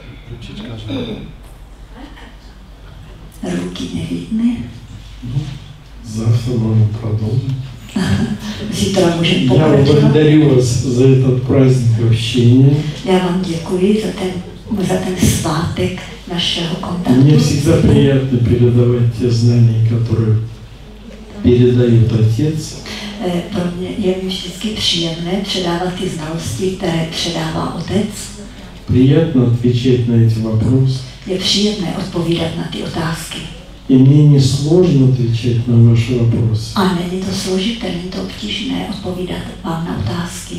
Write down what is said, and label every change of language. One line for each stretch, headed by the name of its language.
Czech: Ručička, že? Ruky nevidné. No, zase máme produkt. Já
Russian: благодарю
Czech: vás za
Russian: этот праздник общения.
Czech: Já vám děkuji za ten svátek našeho kontaktu.
Russian: Мне всегда приятно передавать те знания, которые передает отец.
Czech: Pro mě je vždycky příjemné předávat ty znalosti, které předává otec. Příjemné odpovídat na ty otázky. Je příjemné odpovídat na ty otázky. I mně je složité odpovídat na vaše otázky. A není to složité, není to obtížné odpovídat vám na otázky.